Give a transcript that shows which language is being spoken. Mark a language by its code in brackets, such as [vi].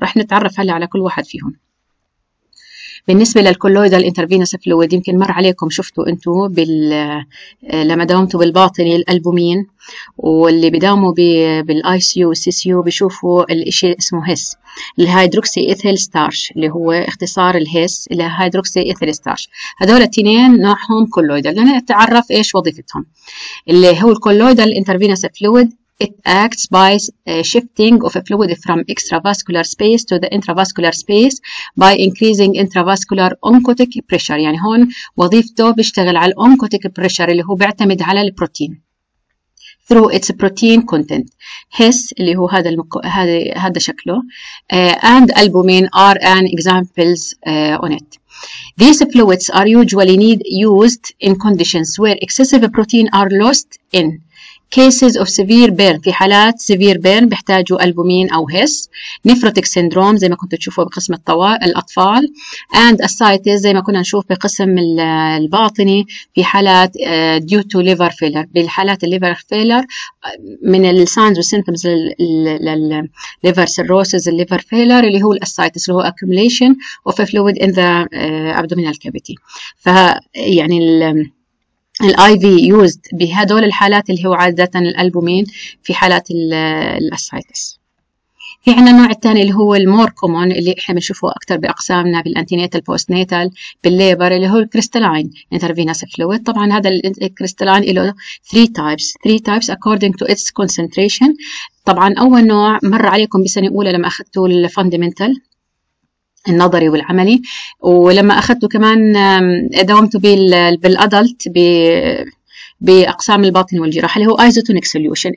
[ar] راح نتعرف هلا على كل واحد فيهم. بالنسبة للكولويدال انترفينوس فلويد، يمكن مر عليكم شفتوا انتو لما داومتوا بالباطنة الألبومين، واللي بداوموا بالاي سي يو سي سي يو بيشوفوا الاشي اسمه هيس، الهيدروكسي ايثيل ستارش، اللي هو اختصار الهيس الهيدروكسي ايثيل ستارش. هذول التنين نوعهم كولويدال. لنتعرف ايش وظيفتهم. اللي هو الكولويدال انترفينوس فلويد، [en] it acts by shifting of a fluid from extravascular space to the intravascular space by increasing intravascular oncotic pressure. [ar] يعني هون وظيفته بيشتغل على oncotic pressure اللي هو بيعتمد على البروتين [en] through its protein content. HIS [ar] اللي هو هذا شكله [en] and albumin are an examples on it. These fluids are usually used in conditions where excessive protein are lost in cases of severe burn. [ar] في حالات severe burn بيحتاجوا ألبومين أو هس. nephrotic syndrome زي ما كنتوا تشوفوا بقسم الأطفال [en] and ascites [ar] زي ما كنا نشوف بقسم الباطني في حالات [en] due to liver failure. [ar] بالحالات الليفر فيلر من ال signs and symptoms لل liver cirrhosis liver failure اللي هو الأسايتس اللي هو [en] accumulation of fluid in the abdominal cavity. [ar] فيعني الـ [en] IV used [ar] بهدول الحالات اللي هو عادة الألبومين في حالات الأسايتس. في عنا النوع الثاني اللي هو المور كومون اللي احنا بنشوفه أكثر بأقسامنا بالأنتينيتال بوست نيتال بالليبر اللي هو الكريستالاين انترفينوس فلويد. طبعا هذا الكريستالاين له [en] 3 types according to its concentration. [ar] طبعا أول نوع مر عليكم بسنة أولى لما أخذتوا الفاندمنتال النظري والعملي، ولما أخذته كمان داومته بالأدلت بأقسام الباطن والجراحة اللي هو isotonic solution.